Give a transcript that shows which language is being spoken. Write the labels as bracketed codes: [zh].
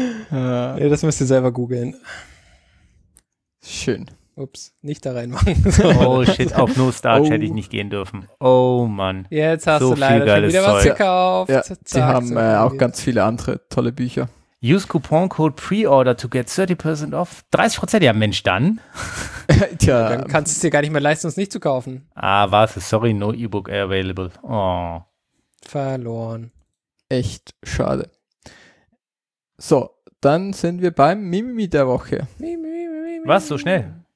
[de] Nee, das müsst ihr selber googeln. Schön. Ups, nicht da reinmachen. Oh shit, auf No Starch hätte ich nicht gehen dürfen. Oh Mann. Jetzt hast du leider schon wieder was gekauft. Ja, die haben auch ganz viele andere tolle Bücher. [en] Use Coupon Code Preorder to get 30% off. [de] 30%? Ja, Mensch, dann. Tja. Ja, dann kannst du es dir gar nicht mehr leisten, uns nicht zu kaufen. Ah, was? [en] Sorry, no E-Book available. Oh. [de] Verloren. Echt schade. So, dann sind wir beim Mimimi der Woche. Was, so schnell?